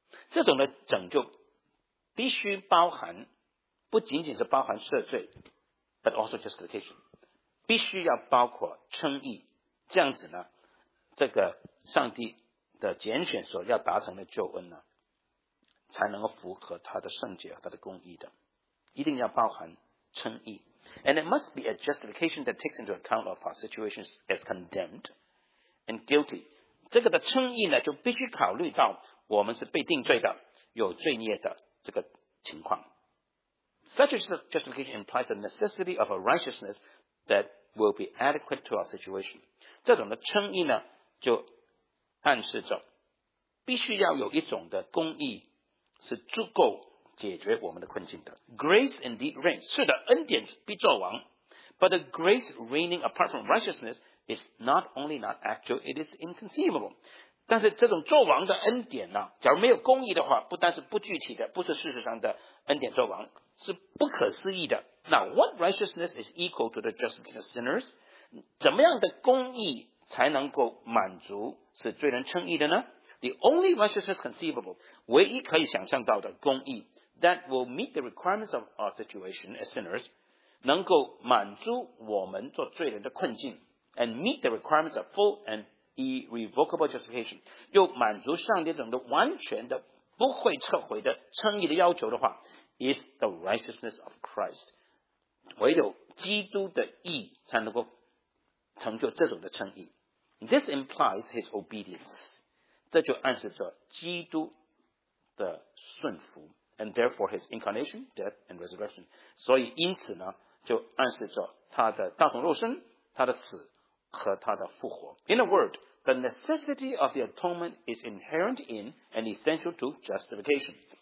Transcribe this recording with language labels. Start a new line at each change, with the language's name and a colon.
Chinese: 这种的拯救必须包含，不仅仅是包含赦罪，
English: but also justification，
Chinese: 必须要包括称义，这样子呢，这个上帝的拣选所要达成的救恩呢，才能够符合他的圣洁和他的公义的，一定要包含称义。
English: And it must be a justification that takes into account of our situations as condemned and guilty，
Chinese: 这个的称义呢，就必须考虑到我们是被定罪的、有罪孽的这个情况。
English: Such a justification implies the necessity of a righteousness that will be adequate to our situation，
Chinese: 这种的称义呢，就暗示着必须要有一种的公义是足够解决我们的困境的。
English: Grace indeed reigns，
Chinese: 是的，恩典必作王。
English: But the grace reigning apart from righteousness is not only not actual, it is inconceivable。
Chinese: 但是这种作王的恩典呢，假如没有公义的话，不但是不具体的，不是事实上的恩典作王，是不可思议的。
English: Now what righteousness is equal to the justification of sinners，
Chinese: 怎么样的公义才能够满足使罪人称义的呢？
English: The only righteousness conceivable，
Chinese: 唯一可以想象到的公义
English: that will meet the requirements of our situation as sinners，
Chinese: 能够满足我们做罪人的困境，
English: and meet the requirements of full and irrevocable justification，
Chinese: 又满足上帝这种的完全的不会撤回的称义的要求的话，
English: is the righteousness of Christ，
Chinese: 唯有基督的义才能够成就这种的称义。
English: This implies his obedience，
Chinese: 这就暗示着基督的顺服，
English: and therefore his incarnation, death, and resurrection.
Chinese: 所以因此呢，就暗示着他的道成肉身、他的死和他的复活。
English: In a word, the necessity of the atonement is inherent in and essential to justification.